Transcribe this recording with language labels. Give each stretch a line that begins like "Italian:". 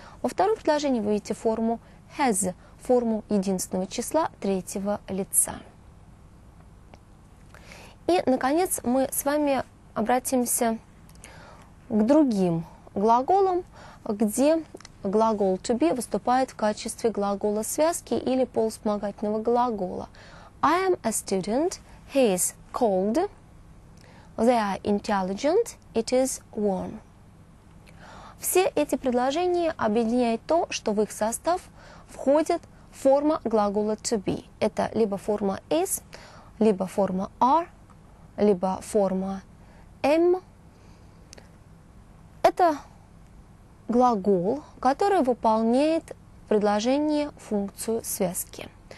Russian: Во втором предложении вы видите форму has, форму единственного числа третьего лица. И, наконец, мы с вами обратимся к другим глаголам, где глагол to be выступает в качестве глагола связки или полувспомогательного глагола.
English: I am a student, he is cold, they are intelligent, it is warm.
Russian: Все эти предложения объединяет то, что в их состав входит форма глагола to be. Это либо форма is, либо форма are, либо форма am. Это глагол, который выполняет в предложении функцию связки.